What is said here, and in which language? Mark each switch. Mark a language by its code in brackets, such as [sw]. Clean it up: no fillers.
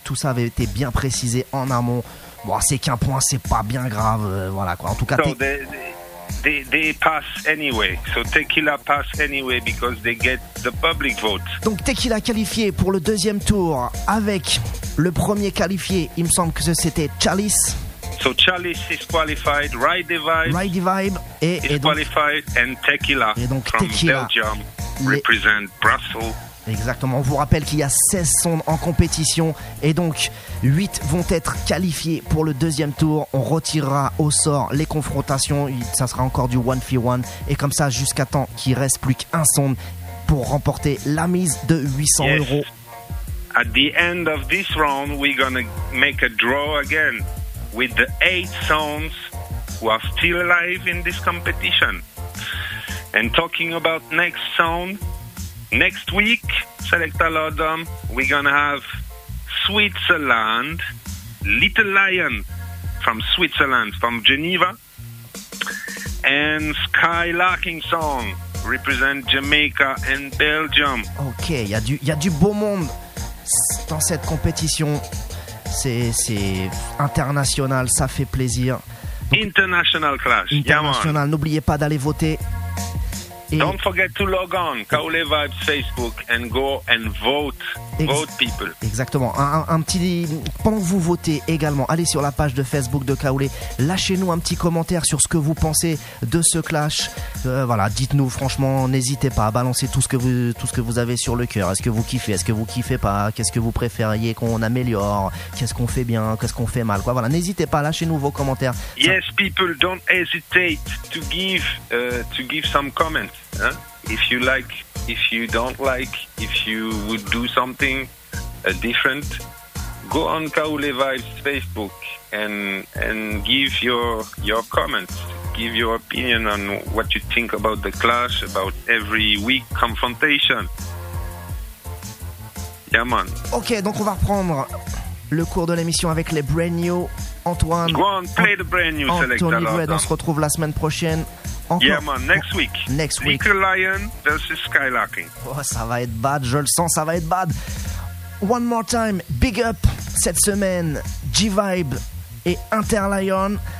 [fr] Tout ça avait été bien précisé en amont. Bon, c'est qu'un point, c'est pas bien grave. Voilà quoi. En tout cas, [en] so they, They pass anyway. So Tequila pass anyway because they get the public vote. [fr] Donc Tequila qualifié pour le deuxième tour avec le premier qualifié, il me semble que c'était Chalice. [en] So Chalice is qualified, Ride the Vibe [fr] et [en] qualified and Tequila. [fr] Et donc [en] from Tequila Belgium represent Brussels. [fr] Exactement, on vous rappelle qu'il y a 16 sons en compétition et donc 8 vont être qualifiés pour le deuxième tour. On retirera au sort les confrontations, ça sera encore du 1v1 et comme ça jusqu'à temps qu'il reste plus qu'un son pour remporter la mise de 800 euros. [en] At the end of this round, we're gonna make a draw again with the 8 songs who are still alive in this competition. And talking about next song, next week, Selecta Lodom, we're gonna have Switzerland, Little Lion from Switzerland, from Geneva, and Skylarking Song represent Jamaica and Belgium. [fr] Ok, il y a du beau monde dans cette compétition. C'est international, ça fait plaisir. [en] Donc, international clash. International, [fr] n'oubliez pas d'aller voter. [en] Et don't forget to log on Kaole Vibes Facebook and go and vote. Vote people. [fr] Exactement. Un petit, pendant que vous votez également, allez sur la page de Facebook de Kaole. Lâchez-nous un petit commentaire sur ce que vous pensez de ce clash. Voilà, dites-nous franchement, n'hésitez pas à balancer tout ce que vous avez sur le cœur. Est-ce que vous kiffez? Est-ce que vous kiffez pas? Qu'est-ce que vous préfériez qu'on améliore? Qu'est-ce qu'on fait bien? Qu'est-ce qu'on fait mal? Quoi. Voilà, n'hésitez pas, lâchez-nous vos commentaires. [en] Yes, people, don't hesitate to give some comments. If you like, if you don't like, if you would do something different, go on Kaole Vibes Facebook and give your comments, give your opinion on what you think about the clash, about every week confrontation. Yeah, man. [fr] Ok, donc on va reprendre le cours de l'émission avec les brand new Antoine. [en] Go on, play the brand new [fr] Antoine Bred. On se retrouve la semaine prochaine. Encore. [en] Yeah man, next week. Next week. Little Lion versus Skylarking. [fr] Oh, ça va être bad, je le sens, ça va être bad. [en] One more time, big up [fr] cette semaine, G-Vibe et Interlion.